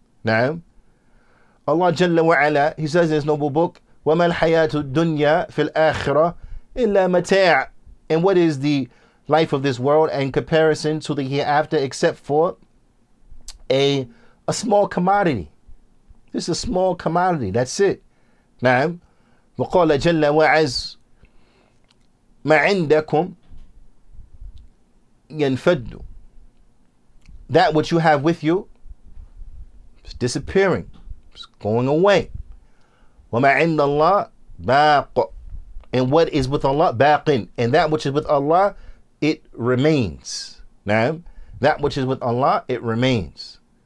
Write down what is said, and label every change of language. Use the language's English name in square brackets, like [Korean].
[English] Now, Allah Jalla wa'ala, He says in His noble book, [Arabic] وَمَا الْحَيَاةُ الدُّنْيَا فِي الْآخِرَةِ إِلَّا مَتَاعٌ. [English] And what is the life of this world in comparison to the hereafter except for a small commodity? This is a small commodity. That's it. نعم. [Arabic] وقال جل وعز ما عندكم ينفد. [English] That which you have with you is disappearing. It's going away. [Arabic] وما عند الله باق. [English] And what is with Allah? باقٍ. And that which is with Allah, it remains. نعم. That which is with Allah, it remains.